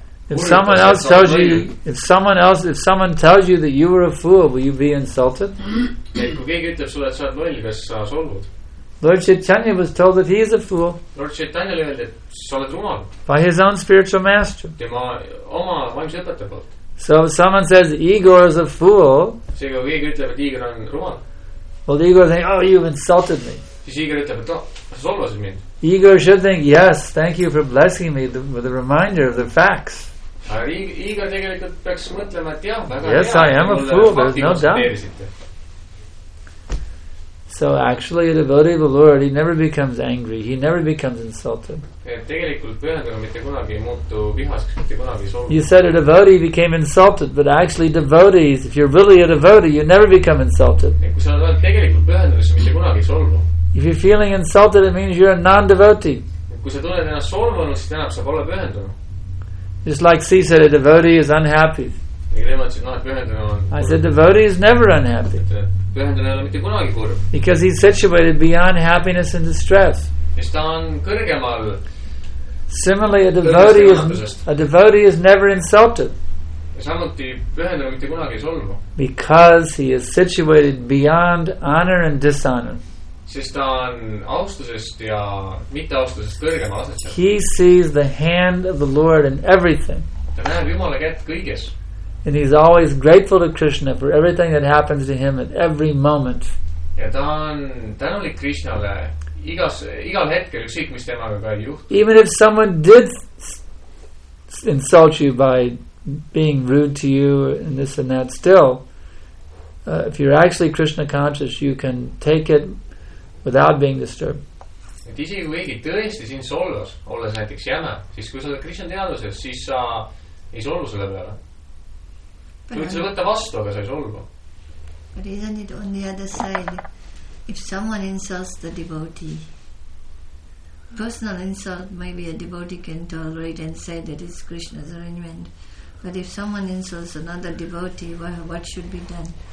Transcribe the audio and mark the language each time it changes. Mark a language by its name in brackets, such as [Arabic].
[English] if someone tells you that you were a fool, will you be insulted? [Estonian] Kui keegi ütleb sulle, et sa oled loll, kas sa solvud? [English] Lord Chaitanya was told that he is a fool. [Estonian] Lord Chaitanya öeldi, et sa oled rumal. [English] By his own spiritual master. [Estonian] Tema oma vaimse õpetaja poolt. [English] So if someone says Igor is a fool, [Estonian] see, kui keegi ütleb, et Igor on rumal. [English] Well, Igor think, oh, you've insulted me. [Estonian] Siis Igor ütleb, et sa solvasid mind. [English] Igor should think, yes, thank you for blessing me with a reminder of the facts. [Estonian] Igor tegelikult peaks mõtlema, et jah, väga [English] yes, [Estonian] hea, [English] I am a fool, there's no doubt. So actually, a devotee of the Lord, he never becomes angry, he never becomes insulted. You said a devotee became insulted, but actually devotees, if you're really a devotee, you never become insulted. If you're feeling insulted, it means you're a non-devotee. [Estonian] Kui sa tunned ennast solvunud, siis tähendab, sa pole pühendunud. [English] Just like C said, a devotee is unhappy. I said, devotee is never unhappy. [Estonian] Pühendunud ei ole mitte kunagi kurv. [English] Because he's situated beyond happiness and distress. [Estonian] Sest ta on kõrgemal. [English] Similarly, a devotee is never insulted. [Estonian] Samuti pühendunud mitte kunagi solvunud. [English] Because he is situated beyond honor and dishonor. [Estonian] Sest ta on austusest ja mitte austusest kõrgema asetse. [English] He sees the hand of the Lord in everything. [Estonian] Ta näeb Jumala kätt kõiges. [English] And he's always grateful to Krishna for everything that happens to him at every moment. [Estonian] Ja ta on tänulik Krishnale igal hetkel ükskõik, mis temaga ka ei juhtu. [English] Even if someone did insult you by being rude to you and this and that, still, if you're actually Krishna conscious, you can take it without being disturbed. [Estonian] Et isegi kui keegi tõesti siin solvas, olles näiteks jäme, siis kui sa oled Krishna teaduses, siis sa ei solvu selle peale. Sa võid selle võtta vastu, aga sa ei solvu. [English] But isn't it on the other side? If someone insults the devotee, personal insult, maybe a devotee can tolerate and say that it's Krishna's arrangement. But if someone insults another devotee, what should be done?